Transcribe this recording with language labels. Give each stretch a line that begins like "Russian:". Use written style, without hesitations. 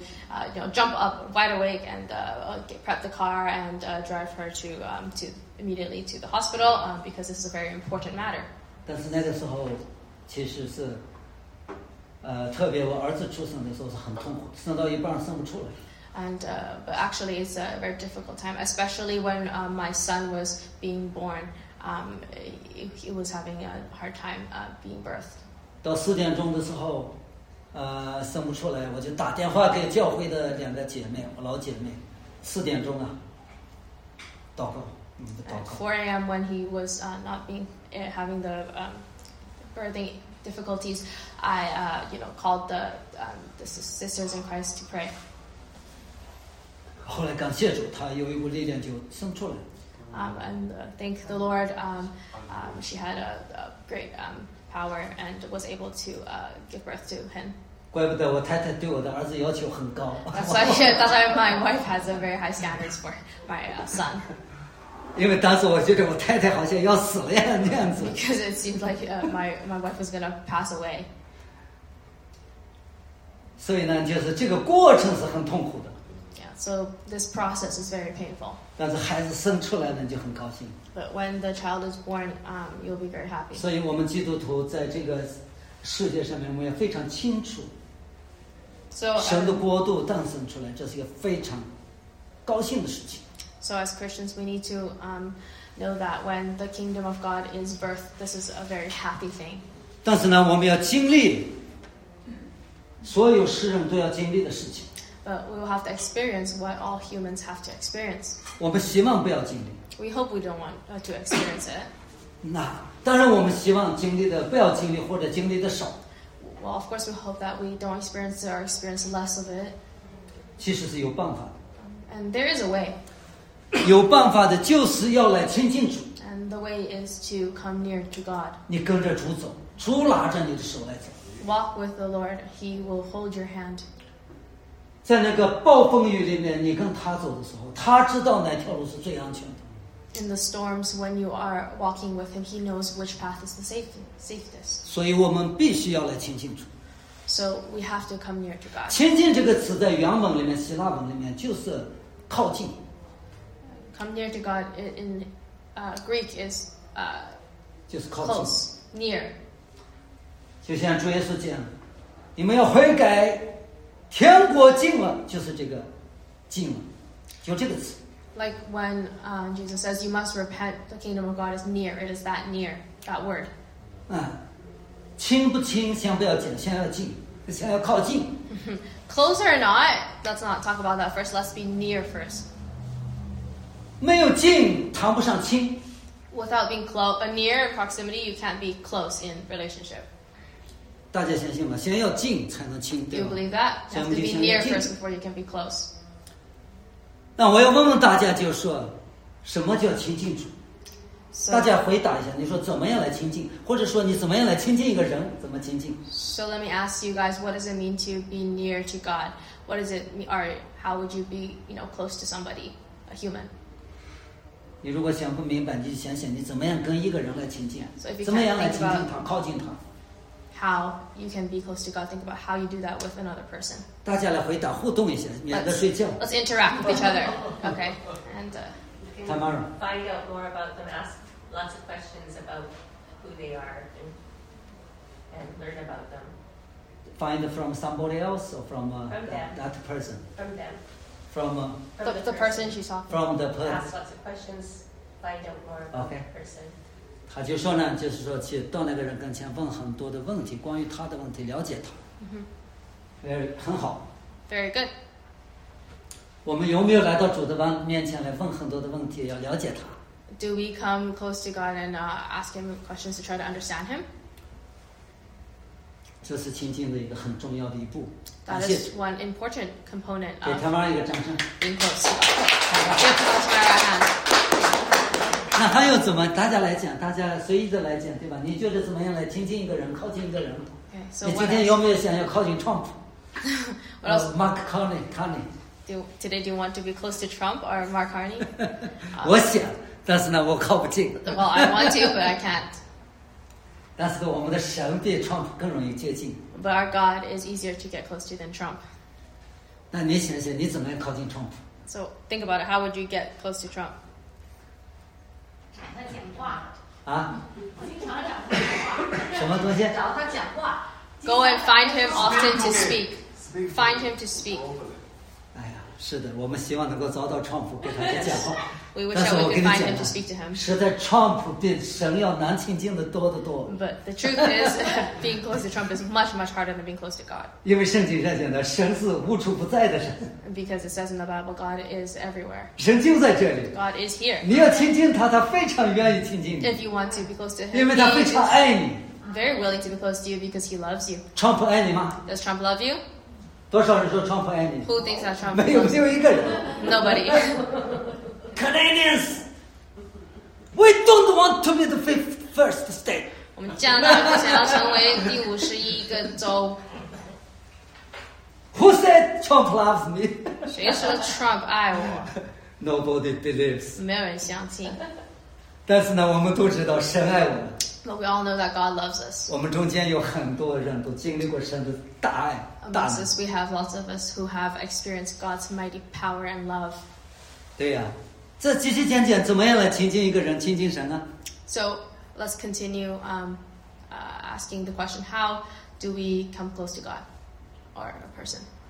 English: I would, you know, jump up wide awake and prep the car and drive her to immediately to the hospital because this is a very important matter.
Chinese: 但是那个时候，其实是，特别我儿子出生的时候是很痛苦，生到一半生不出来。
English: And but actually, it's a very difficult time, especially when my son was being born. He was having a hard time being birthed.
Chinese: 到四点钟的时候，生不出来，我就打电话给教会的两个姐妹，我老姐妹。四点钟啊，祷告，祷告。
English: 4 a.m. when he was having the birthing difficulties, I called the sisters in Christ to pray.
Chinese: 后来感谢主，她有一股力量就生出来。
English: Thank the Lord. She had a great power and was able to give birth to him.
Chinese: 怪不得我太太对我的儿子要求很高。
English: That's why my wife has a very high standards for my son.
Chinese: 因为当时我觉得我太太好像要死了呀那样子。
English: Because it seemed like my wife was gonna pass away.
Chinese: 所以呢，就是这个过程是很痛苦的。
English: So this process is very painful.
Chinese: 但是孩子生出来了就很高兴。
English: But when the child is born, you'll be very happy.
Chinese: 所以我们基督徒在这个世界上面，我们也非常清楚。
English: So
Chinese: 神的国度诞生出来，这是一个非常高兴的事情。
English: So as Christians, we need to know that when the kingdom of God is birthed, this is a very happy thing.
Chinese: 但是呢，我们要经历所有世人都要经历的事情。
English: But we will have to experience what all humans have to experience.
Chinese: 我们希望不要经历。
English: We hope we don't want to experience it.
Chinese: 那当然，我们希望经历的不要经历，或者经历的少。
English: Well, of course, we hope that we don't experience it or experience less of it.
Chinese: 其实是有办法的。
English: And there is a way.
Chinese: 有办法的就是要来亲近主。
English: And the way is to come near to God.
Chinese: 你跟着主走，主拉着你的手来走。
English: Walk with the Lord; He will hold your hand.
Chinese: 在那个暴风雨里面，你跟他走的时候，他知道哪条路是最安全的。
English: In the storms, when you are walking with him, he knows which path is the safest.
Chinese: 所以我们必须要来亲近主。
English: So we have to come near to God.
Chinese: 亲近这个词在原文里面，希腊文里面就是靠近。
English: Come near to God in Greek is
Chinese: 就是靠近。
English: Close, near.
Chinese: 就像主耶稣讲，你们要悔改。天国近了，就是这个近了，就这个词。
English: Like when Jesus says, "You must repent." The kingdom of God is near. It is that near, that word.
Chinese: 亲不亲，先不要紧，先要近，先要靠近。
English: Closer or not, let's not talk about that first. Let's be near first.
Chinese: 没有近，谈不上亲。
English: Without being close, a near proximity, you can't be close in relationship.
Chinese: 大家相信吗？先要近才能亲，对吧？
English: You believe that? You have to be near first before you can be close.
Chinese: 那我要问问大家，就是说，什么叫亲近主？
English: So,
Chinese: 大家回答一下，你说怎么样来亲近，或者说你怎么样来亲近一个人，怎么亲近
English: ？So let me ask you guys, what does it mean to be near to God? What does it mean, or how would you be, you know, close to somebody, a human?
Chinese: 你如果想不明白，你就想想你怎么样跟一个人来亲近，
English: so、
Chinese: 怎么样来亲近他，靠近他。
English: How you can be close to God? Think about how you do that with another person.
Chinese: 大家来回答，互动一下，免得睡觉。
English: Let's interact with each other, okay? And Tamara, find out more about them. Ask lots of questions about who they are and learn about them. Find from somebody else or from that person. From them. From the person she's talking. From the person. Ask lots of questions. Find out more about the person.
Chinese: 他就说呢，就是说去到那个人跟前问很多的问题，关于他的问题，了解他。很好。
English: Very good。
Chinese: 我们有没有来到主的面前来问很多的问题，要了解他
English: ？Do we come close to God and ask Him questions to try to understand Him？
Chinese: 这是亲近的一个很重要的一步。
English: That is one important component.
Chinese: 给他妈一个掌声。
English: Being close to God. Give Tamara a hand.
Chinese: 那还有怎么？大家来讲，大家随意的来讲，对吧？你觉得怎么样来亲近一个人，靠近一个人？
English: Okay, so、
Chinese: 你今天有没有想要靠近 Trump？
English: What else? Mark Carney, Carney. Today, do you want to be close to Trump or Mark Carney?
Chinese: 我想，但是呢，我靠不近。
English: Well, I want to, but I can't.
Chinese: 但是我们的神比 Trump 更容易接近。
English: But our God is easier to get close to than Trump.
Chinese: 那你想想，你怎么样靠近 Trump？
English: So think about it. How would you get close to Trump?
Chinese: 他讲话啊，经常讲话，什么东西？找他讲话。
English: Go and find him often to speak. Find him to speak.
Chinese: 哎呀，是的，我们希望能够找到 Trump 给他去讲话。
English: We wish that we could find him to speak to him.
Chinese: 实在 Trump 比神要难亲近的多得多。
English: But the truth is, being close to Trump is much much harder than being close to God.
Chinese: 因为圣经上讲的，神是无处不在的神。
English: Because it says in the Bible, God is everywhere.
Chinese: 神就在这里。
English: God is here.
Chinese: 你要亲近他，他非常愿意亲近你。
English: If you want to be close to him,
Chinese: 因为他非常爱你。
English: Very willing to be close to you because he loves you.
Chinese: Trump 爱你吗？
English: Does Trump love you?
Chinese: 多少人说 Trump 爱你？
English: Who thinks that Trump?
Chinese: 没有，只有一个人。
English: Nobody. Canadians, we don't want to be the first state.
Chinese: 我们加拿大不想要成为第五十一个州。
English: Who said Trump loves me?
Chinese: 谁说 Trump 爱我？
English: Nobody believes.
Chinese: 没有人相信。但是呢，我们都知道神爱我们。
English: But we all know that God loves us.
Chinese: 我们中间有很多人都经历过神的大爱。
English: Amongst us, we have lots of us who have experienced God's mighty power and love.
Chinese: 对呀、啊。这极其简简，怎么样来亲近一个人，亲近神呢
English: ？So let's continue asking the question: How do we come close to God or a person?